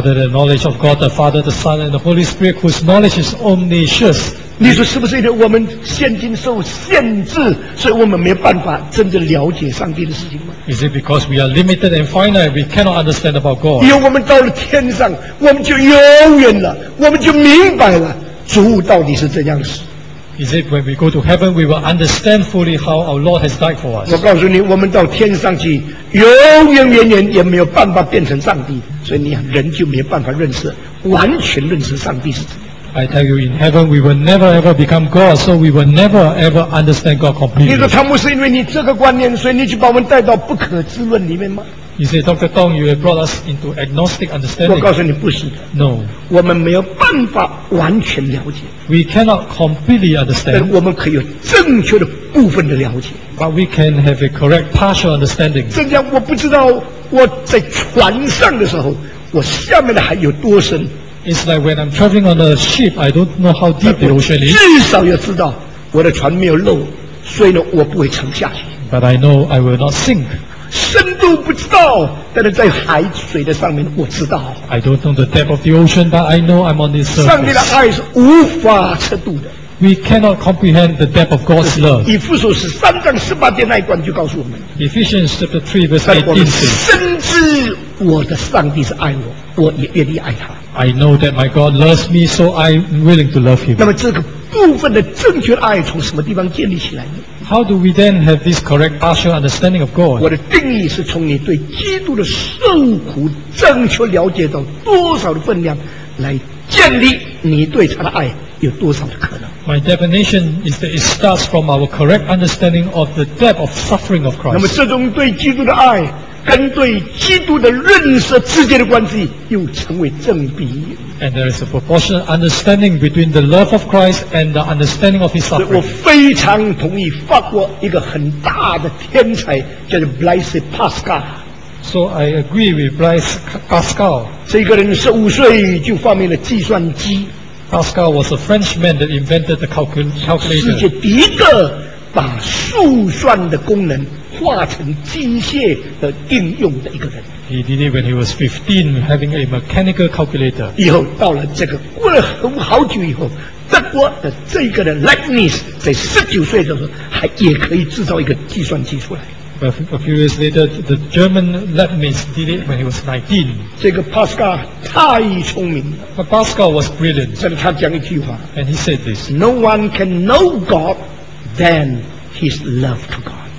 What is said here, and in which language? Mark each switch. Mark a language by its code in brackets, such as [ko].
[en] Other than knowledge of God, the Father, the Son, and the Holy Spirit, whose knowledge is omniscient. [zh] 你说是不是因为我们现今受限制，所以我们没有办法真正了解上帝的事情吗？ [en] Is it because we are limited and finite, we cannot understand about God? [zh] 因为我们到了天上，我们就永远了，我们就明白了主到底是怎样的事。 [en] Is it when we go to heaven, we will understand fully how our Lord has died for us? [zh] 我告诉你，我们到天上去，永永远远也没有办法变成上帝，所以你人就没有办法认识，完全认识上帝是怎样。 [en] I tell you, in heaven, we will never ever become God, so we will never ever understand God completely. [zh] 你说汤姆是因为你这个观念，所以你就把我们带到不可知论里面吗？ [en] You say, Dr. Tong, you have brought us into agnostic understanding. [zh] 我告诉你不是。 [en] No. [zh] 我们没有办法完全了解。 [en] We cannot completely understand. [zh] 但我们可以有正确的部分的了解。 [en] But we can have a correct partial understanding. [zh] 正像我不知道我在船上的时候，我下面的海有多深。 [en] It's like when I'm traveling on a ship, I don't know how deep the ocean is. [zh] 至少要知道我的船没有漏，所以呢，我不会沉下去。 [en] But I know I will not sink. [zh] 深度不知道，但是在海水的上面我知道。 [en] I don't know the depth of the ocean, but I know I'm on this surface. [zh] 上帝的爱是无法测度的。 [en] We cannot comprehend the depth of God's love. [zh] 以弗所是三章十八节那一段就告诉我们。 [en] Ephesians chapter 3 verse 18 says. [zh] 深知我的上帝是爱我，我也愿意爱他。 [en] I know that my God loves me, so I'm willing to love Him. [zh] 那么这个部分的正确爱从什么地方建立起来呢？ [en] How do we then have this correct partial understanding of God? [zh] 我的定义是从你对基督的受苦正确了解到多少的分量，来建立你对他的爱有多少的可能。 [en] My definition is that it starts from our correct understanding of the depth of suffering of Christ. [zh] 那么这种对基督的爱跟对基督的认识之间的关系又成为正比。 [en] And there is a proportionate understanding between the love of Christ and the understanding of his suffering. [zh] 我非常同意法国一个很大的天才叫做 Blaise Pascal。 [en] So I agree with Blaise Pascal. [zh] 这个人15岁就发明了计算机。 [en] Pascal was a Frenchman that invented the calculator. [zh] 世界第一个把速算的功能化成机械的应用的一个人。 [en] He did it when he was 15, having a mechanical calculator. [zh] 以后到了这个过了很好久以后，德国的这个人 Leibniz 在19岁的时候还也可以制造一个计算机出来。 [en] But a few years later, the German Leibniz did it when he was 19. [zh] 这个 Pascal 太聪明了。 [en] But Pascal was brilliant. [zh] 所以他讲一句话。 [en] And he said this. No one can know God than his love to God.